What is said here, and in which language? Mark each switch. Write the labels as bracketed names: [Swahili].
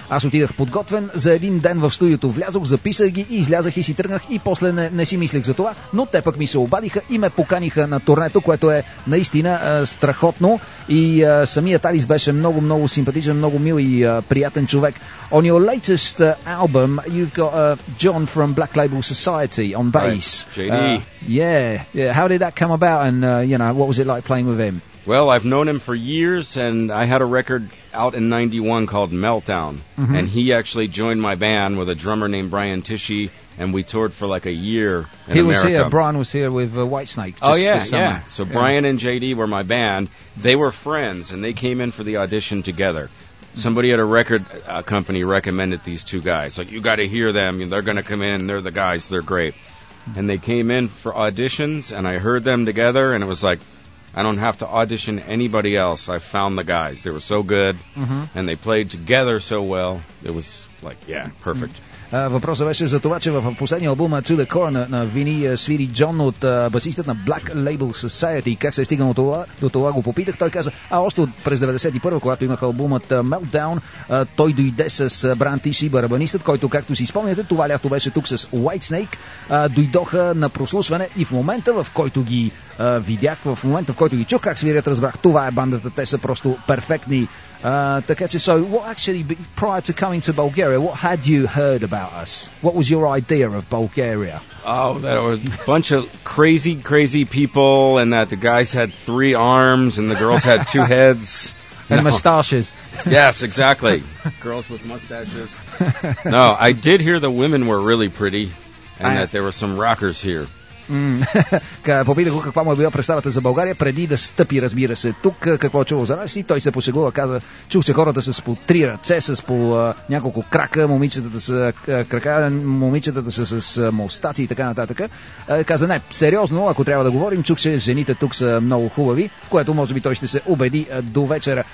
[Bulgarian] Аз отидах подготвен, за един ден в студиото влязох, записах ги и излязах и си тръгнах и после не си мислех за това, но те пък ми се обадиха и ме поканиха на турнето, което е наистина страхотно. И самият Алис беше много, много симпатичен, много мил и приятен човек. [English] On your latest album, you've got John from Black Label Society on bass. Right. JD. Yeah. How did that come about, and you know, what was it like playing with him? Well, I've known him for years, and I had a record out in 91 called Meltdown, and he actually joined my band with a drummer named Brian Tishy, and we toured for like a year in He America. Was here. Brian was here with Whitesnake. Oh, yeah, yeah. So yeah. Brian and JD were my band. They were friends, and they came in for the audition together. Somebody at a record company recommended these two guys. Like, you got to hear them. They're going to come in. They're the guys. They're great. And they came in for auditions, and I heard them together, and it was like, I don't have to audition anybody else. I found the guys. They were so good, and they played together so well. It was like, yeah, perfect. [Bulgarian] Въпросът беше за това, че в последния албум To the Core на Вини свири Джон от басистът на Black Label Society. Как се е стигнал до това го попитах. Той каза, а още през 91-а, когато имах албумът Meltdown, той дойде с Бран Тиши, барабанистът, който, както си спомняте, това лято беше тук с Whitesnake. Дойдоха на прослушване и в момента, в който ги видях, в момента, в който ги чух как свирят, разбрах, това е бандата, те са просто перфектни. Така че, [English] so what actually, prior to coming to Bulgaria, what had you heard about us? What was your idea of Bulgaria? Oh, there were a bunch of crazy, crazy people, and that the guys had three arms and the girls had two heads. And mustaches. Yes, exactly. Girls with mustaches. No, I did hear the women were really pretty, and that there were some rockers here. [Bulgarian] Попитах го каква му е била представата за България преди да стъпи, разбира се, тук, какво е чувал за нас, и той се посегува, каза, чух се хората с по три ръце, с по няколко крака, момичетата са с мустаци и така нататък. Каза, не, сериозно, ако трябва да говорим, чух, че жените тук са много хубави, което може би той ще се убеди до вечера.